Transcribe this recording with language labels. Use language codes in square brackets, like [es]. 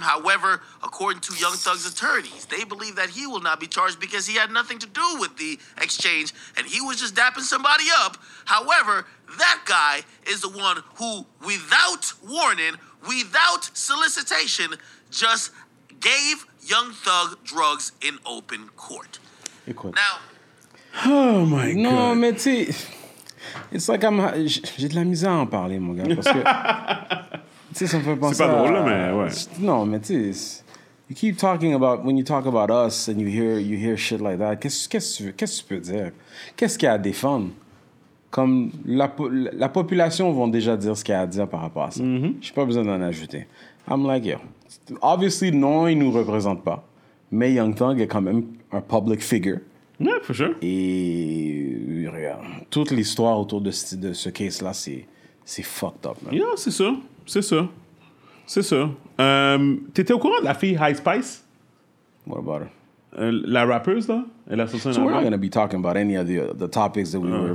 [en] However, according to Young Thug's attorneys, they believe that he will not be charged because he had nothing to do with the exchange and he was just dapping somebody up. However, that guy is the one who, without warning, without solicitation, just gave Young Thug drugs in open court. [fr] Écoute. [en] Now, oh my God. [fr] Non, mais tu sais, c'est ça comme... J'ai de la misère à en parler, mon gars, parce que... Tu sais, ça me fait penser. C'est pas drôle, à, mais ouais. Non, mais tu sais, [en] you keep talking about, when you talk about us and you hear shit like that, [fr] qu'est-ce que tu peux dire? Qu'est-ce qu'il y a à défendre? comme la population vont déjà dire ce qu'il y a à dire par rapport à ça. Mm-hmm. J'ai pas besoin d'en ajouter. [en] I'm like, yo. Obviously, [fr] non, il nous représente pas. Mais Young Thug est quand même un public figure. [en] Yeah, for sure. [fr] Et regarde, toute l'histoire autour de ce case-là, c'est fucked up. [en] Man. [fr] Yeah, c'est ça. C'est ça. C'est ça. T'étais au courant de la fille High Spice? [en] What about her? [fr] La rappeuse, là? Elle a sorti un album. [en] We're not going to be talking about any of the topics that we were...